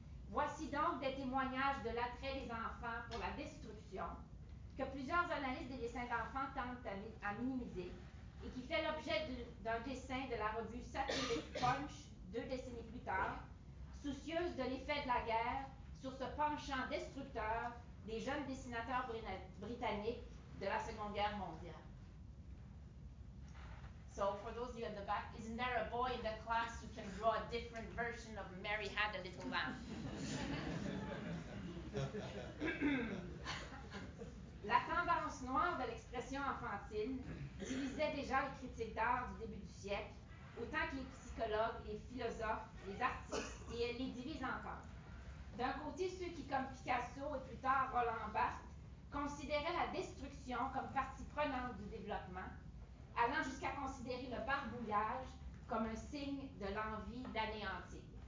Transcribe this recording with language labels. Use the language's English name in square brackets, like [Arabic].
[French] Voici donc des témoignages de l'attrait des enfants pour la destruction, que plusieurs analystes des dessins d'enfants tentent à minimiser, et qui fait l'objet d'un dessin de la revue Satiric Punch, deux décennies plus tard, soucieuse de l'effet de la guerre sur ce penchant destructeur des jeunes dessinateurs britanniques de la Seconde Guerre mondiale. [English] So, for those of you in the back, isn't there a boy in the class who can draw a different version of Mary Had a Little Lamb? [French] La tendance noire de l'expression enfantine divisait déjà les critiques d'art du début du siècle, autant que les psychologues, les philosophes, les artistes, et elle les divise encore. D'un côté, ceux qui, comme Picasso et plus tard Roland Barthes, considéraient la destruction comme partie prenante du développement, allant jusqu'à considérer le barbouillage comme un signe de l'envie d'anéantir.